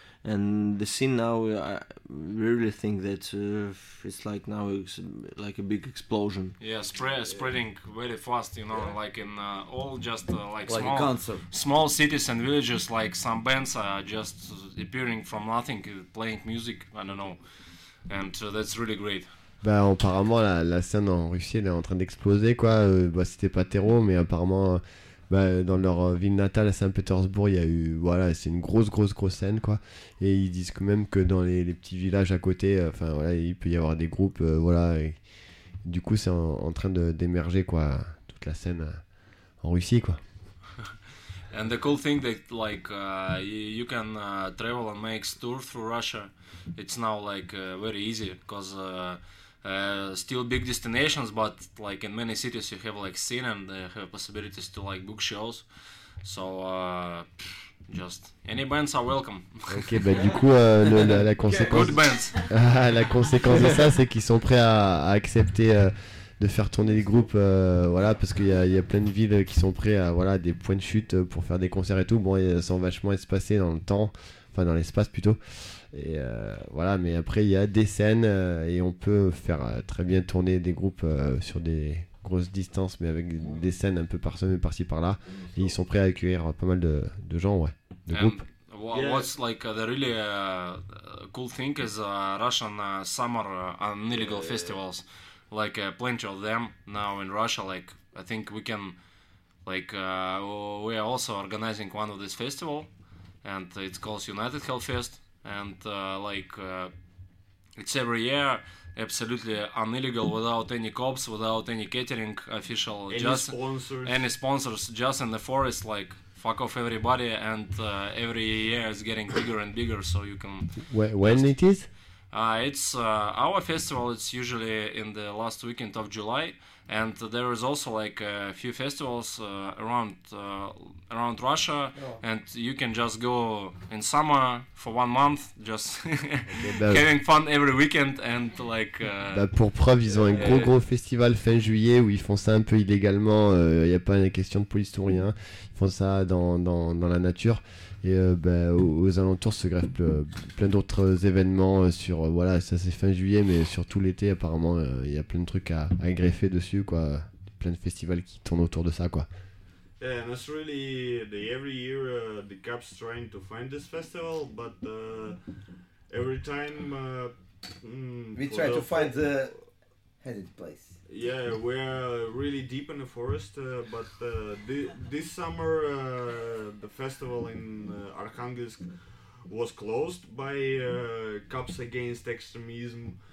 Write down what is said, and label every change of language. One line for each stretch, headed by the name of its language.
English: And the scene now, I really think that it's like now it's like a big explosion. Yeah, spreading very fast, you know, like in all just small cities and villages, like some bands are just appearing from nothing, playing music, I don't know. And that's really great.
French: Bah, apparemment, la scène en Russie, elle est en train d'exploser, quoi. Bah, c'était pas terreau, mais apparemment, bah, dans leur ville natale à Saint-Pétersbourg, il y a eu, voilà, c'est une grosse scène, quoi. Et ils disent que même que dans les petits villages à côté, enfin voilà, il peut y avoir des groupes, voilà. Et du coup, c'est en train d'émerger, quoi, toute la scène en Russie, quoi.
English: And the cool thing that like you can travel and make tour through Russia, it's now like very easy, because still big destinations, but like in many cities you have like scene and have possibilities to like book shows, so just any bands are welcome.
French: Ok, bah du coup la conséquence
English: good bands.
French: La conséquence de ça, c'est qu'ils sont prêts à accepter de faire tourner les groupes, voilà, parce qu'il y a plein de villes qui sont prêts à, voilà, des points de chute pour faire des concerts et tout. Bon, ils sont vachement espacés dans le temps, enfin dans l'espace plutôt. Et voilà, mais après il y a des scènes et on peut faire très bien tourner des groupes sur des grosses distances, mais avec des scènes un peu parsemées par-ci par-là. Et ils sont prêts à accueillir pas mal de gens, ouais, de groupes.
English: What's like the really cool thing is Russian summer illegal festivals, like plenty of them now in Russia. Like I think we can, like we are also organizing one of this festival, and it's called United Hellfest. And like it's every year, absolutely illegal, without any cops, without any catering official, any just sponsors. Any sponsors, just in the forest, like. Fuck off everybody, and every year it's getting bigger and bigger, so you can... When it is? It's our festival, it's usually in the last weekend of July, and there is also like a few festivals around Russia, yeah. And you can just go in summer for 1 month, just having fun every weekend, and like...
French: Pour preuve, ils ont un gros festival fin juillet, où ils font ça un peu illégalement, il n'y a pas une question de police ou rien... font ça dans la nature et aux alentours se greffent plein d'autres événements sur voilà, ça c'est fin juillet, mais sur tout l'été apparemment il y a plein de trucs à greffer dessus, quoi, plein de festivals qui tournent autour de ça, quoi.
English: Yeah, and it's really the every year the cops trying to find this festival, but every time we try to find the headed place. Yeah, we are really deep in the forest, but this summer the festival in Arkhangelsk was closed by cops against extremism.